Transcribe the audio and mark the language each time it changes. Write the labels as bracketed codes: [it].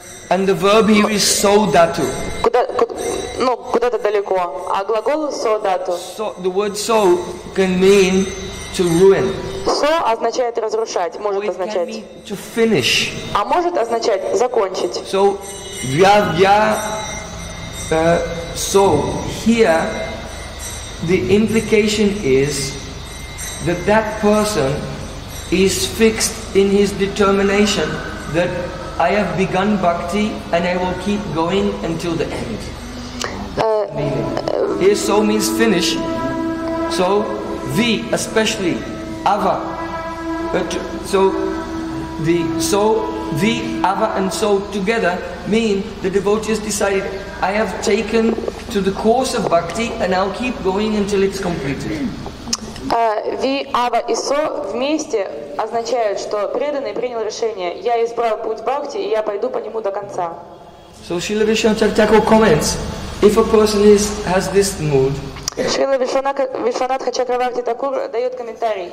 [en] And the verb here is soldatu. [ru] Куда-то далеко. А глагол soldatu. [en] So the word so can mean to ruin. [ru] So означает разрушать, может означать. [en] To finish. [ru] А может означать закончить. [en] So я so here the implication is that person is fixed in his determination that I have begun bhakti and I will keep going until the end. Here so means finish. So vi especially ava, but so the so vi ava and so together mean the devotee has decided I have taken to the course of bhakti and I'll keep going until it's completed. [ru] Ви, ава и со вместе означают, что преданный принял решение. Я избрал путь бхакти, и я пойду по нему до конца. [en] So Srila Vishwanath Chakra comments, if a person has this mood. [ru] Srila Vishwanath Chakra Thakur дает комментарий.